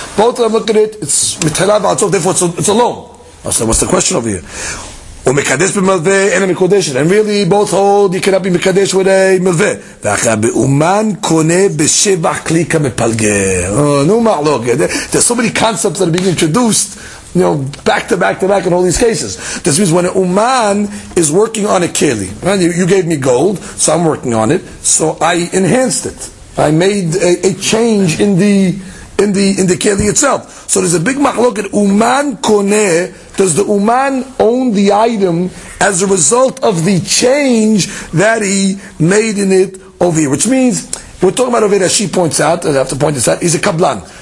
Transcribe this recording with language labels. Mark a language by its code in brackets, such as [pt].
[en] Both of them look at it, it's mitchilah v'atzof, therefore it's a loan. I said, what's the question over here? [he] ומקדש במלווה אין המקודשת. [en] And really, both hold, you cannot be מקדש with a מלווה. [he] ואחר, באומן קונה בשבח כלי כמפלגה. נו, מה לא, [en] there's so many concepts that are being introduced. back to back to back in all these cases. This means when an Uman is working on a Keli, right? You gave me gold, so I'm working on it, so I enhanced it. I made a change in the Keli itself. So there's a big machloket. Uman koneh, does the Uman own the item as a result of the change that he made in it over here? Which means, we're talking about over here, as she points out, as I have to point this out, he's a Kablan.